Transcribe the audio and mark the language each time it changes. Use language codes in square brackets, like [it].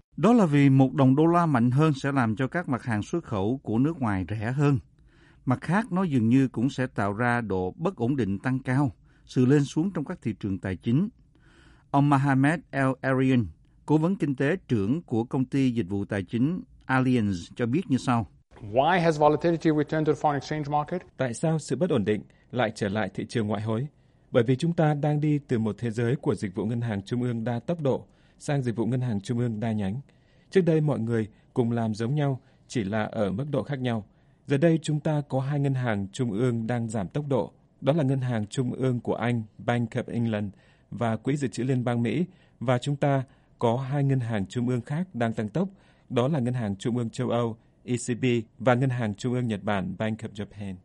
[vi] Đó là vì một đồng đô la mạnh hơn sẽ làm cho các mặt hàng xuất khẩu của nước ngoài rẻ hơn. Mặt khác, nó dường như cũng sẽ tạo ra độ bất ổn định tăng cao, sự lên xuống trong các thị trường tài chính. Ông Mohamed El Arian, cố vấn kinh tế trưởng của công ty dịch vụ tài chính Allianz cho biết như sau. [en] Why has volatility returned to the foreign exchange market? [vi] Tại sao sự bất ổn định lại trở lại thị trường ngoại hối? Bởi vì chúng ta đang đi từ một thế giới của dịch vụ ngân hàng trung ương đa tốc độ sang dịch vụ ngân hàng trung ương đa nhánh. Trước đây mọi người cùng làm giống nhau, chỉ là ở mức độ khác nhau. Giờ đây chúng ta có hai ngân hàng trung ương đang giảm tốc độ, đó là ngân hàng trung ương của Anh, Bank of England, và Quỹ Dự trữ Liên bang Mỹ, và chúng ta có hai ngân hàng trung ương khác đang tăng tốc, đó là Ngân hàng Trung ương Châu Âu, ECB, và Ngân hàng Trung ương Nhật Bản, Bank of Japan.